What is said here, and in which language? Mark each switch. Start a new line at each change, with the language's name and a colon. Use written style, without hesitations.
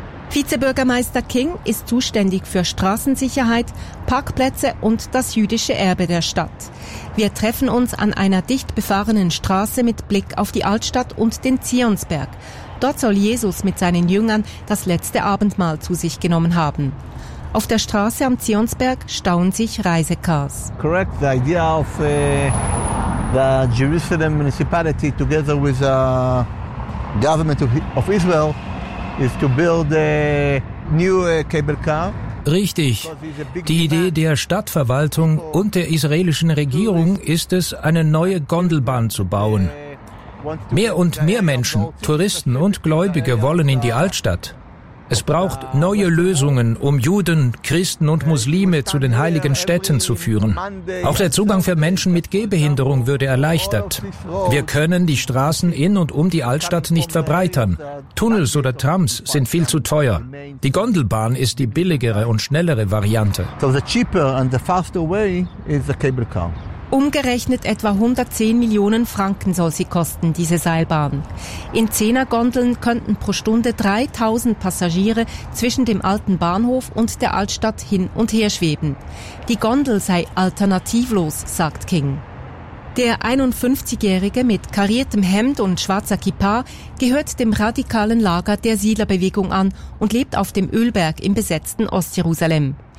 German: Vizebürgermeister King ist zuständig für Straßensicherheit, Parkplätze und das jüdische Erbe der Stadt. Wir treffen uns an einer dicht befahrenen Straße mit Blick auf die Altstadt und den Zionsberg. Dort soll Jesus mit seinen Jüngern das letzte Abendmahl zu sich genommen haben. Auf der Straße am Zionsberg stauen sich Reisecars.
English: Correct, the idea of the Jerusalem municipality together with the government of Israel is to build a new cable car.
German: Richtig. Die Idee der Stadtverwaltung und der israelischen Regierung ist es, eine neue Gondelbahn zu bauen. Mehr und mehr Menschen, Touristen und Gläubige wollen in die Altstadt. Es braucht neue Lösungen, um Juden, Christen und Muslime zu den heiligen Städten zu führen. Auch der Zugang für Menschen mit Gehbehinderung würde erleichtert. Wir können die Straßen in und um die Altstadt nicht verbreitern. Tunnels oder Trams sind viel zu teuer. Die Gondelbahn ist die billigere und schnellere Variante.
English: So the cheaper and the faster way is the cable car.
German: Umgerechnet etwa 110 Millionen Franken soll sie kosten, diese Seilbahn. In 10er-Gondeln könnten pro Stunde 3000 Passagiere zwischen dem alten Bahnhof und der Altstadt hin und her schweben. Die Gondel sei alternativlos, sagt King. Der 51-Jährige mit kariertem Hemd und schwarzer Kippa gehört dem radikalen Lager der Siedlerbewegung an und lebt auf dem Ölberg im besetzten Ostjerusalem.